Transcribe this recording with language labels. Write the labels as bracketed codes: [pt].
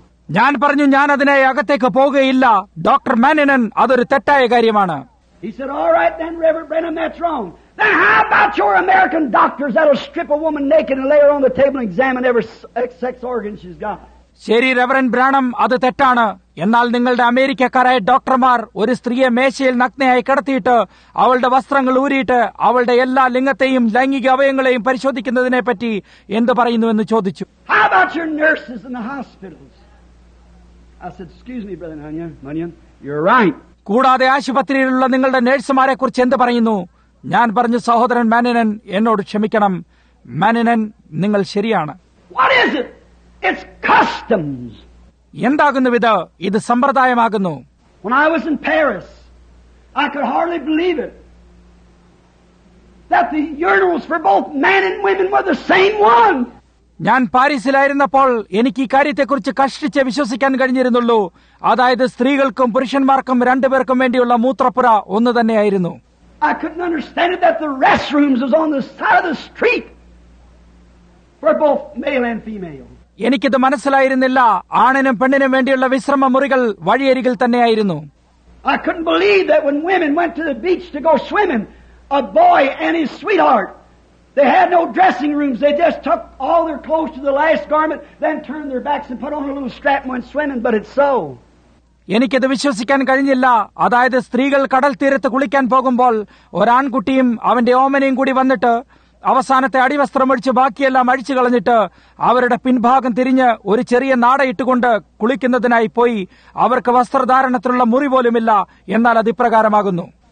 [ml] ഞാൻ പറഞ്ഞു, ഞാൻ അതിനെ അകത്തേക്ക് പോകുകയില്ല ഡോക്ടർ മാനിനൻ, അതൊരു തെറ്റായ കാര്യമാണ്. [en] He said, all right then, Reverend Branham, that's wrong. Then how about your American doctors that'll strip a woman naked and lay her on the table and examine every sex organ she's got? [ml] ശരി reverend ബ്രാനം, അത് തെറ്റാണ്. എന്നാൽ നിങ്ങളുടെ അമേരിക്കക്കാരായ ഡോക്ടർമാർ ഒരു സ്ത്രീയെ മേശയിൽ നഗ്നയായി കിടത്തിയിട്ട് അവളുടെ വസ്ത്രങ്ങൾ ഊരിയിട്ട് അവളുടെ എല്ലാ ലിംഗത്തെയും ലൈംഗിക അവയവങ്ങളെയും പരിശോധിക്കുന്നതിനെ പറ്റി എന്ത് പറയുന്നുവെന്ന് ചോദിച്ചു. [en] How about your nurses in the hospitals? I said, excuse me, Brother Munyan, you're right. [ml] കൂടാതെ ആശുപത്രിയിലുള്ള നിങ്ങളുടെ നഴ്സുമാരെ കുറിച്ച് എന്ത് പറയുന്നു? ഞാൻ പറഞ്ഞു, സഹോദരൻ മാനിനൻ, എന്നോട് ക്ഷമിക്കണം, മാനിനൻ, നിങ്ങൾ ശരിയാണ്. [en] What is it? It's customs. [ml] എന്താകുന്നു ഇത്? ഇത് സമ്പ്രദായമാകുന്നു. [en] When I was in Paris, I could hardly believe it that the urinals for both men and women were the same one. [ml] ഞാൻ പാരീസിലായിരുന്നപ്പോൾ എനിക്ക് ഈ കാര്യത്തെക്കുറിച്ച് കഷ്ടിച്ച് വിശ്വസിക്കാൻ കഴിഞ്ഞിരുന്നുള്ളൂ. അതായത് സ്ത്രീകൾക്കും പുരുഷന്മാർക്കും രണ്ടുപേർക്കും വേണ്ടിയുള്ള മൂത്രപ്പുര ഒന്ന് തന്നെയായിരുന്നു. [en] I couldn't understand it that the restrooms was on the side of the street for both male and female. [ml] എനിക്കിത് മനസ്സിലായിരുന്നില്ല, ആണിനും പെണ്ണിനും വേണ്ടിയുള്ള വിശ്രമ മുറികൾ വഴിയരികിൽ തന്നെയായിരുന്നു. [en] I couldn't believe that when women went to the beach to go swimming, a boy and his sweetheart, they had no dressing rooms. They just took all their clothes to the last garment, then turned their backs and put on a little strap and went swimming, but it's so. [ml] എനിക്കിത് വിശ്വസിക്കാൻ കഴിഞ്ഞില്ല. അതായത് സ്ത്രീകൾ കടൽ തീരത്ത് കുളിക്കാൻ പോകുമ്പോൾ ഒരാൺകുട്ടിയും അവന്റെ ഓമനയും കൂടി വന്നിട്ട് അവസാനത്തെ അടിവസ്ത്രം ഒഴിച്ച് ബാക്കിയെല്ലാം അഴിച്ചു കളഞ്ഞിട്ട് അവരുടെ പിൻഭാഗം തിരിഞ്ഞ് ഒരു ചെറിയ നാടയിട്ടുകൊണ്ട് കുളിക്കുന്നതിനായി പോയി. അവർക്ക് വസ്ത്രധാരണത്തിലുള്ള മുറി പോലുമില്ല. എന്നാൽ അത് ഇപ്രകാരമാകുന്നു.